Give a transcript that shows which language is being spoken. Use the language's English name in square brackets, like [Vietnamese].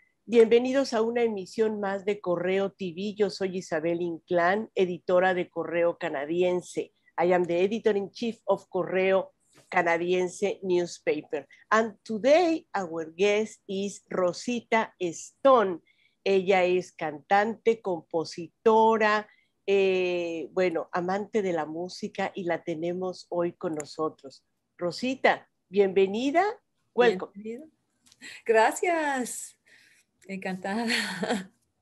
[Spanish] Bienvenidos a una emisión más de Correo TV. Yo soy Isabel Inclán, editora de Correo Canadiense. [English] I am the editor in chief of Correo Canadiense newspaper. And today our guest is Rosita Stone. [Spanish] Ella es cantante, compositora, bueno, amante de la música, y la tenemos hoy con nosotros. Rosita, bienvenida. [English] Welcome. [Spanish] Bienvenida. Gracias. Encantada.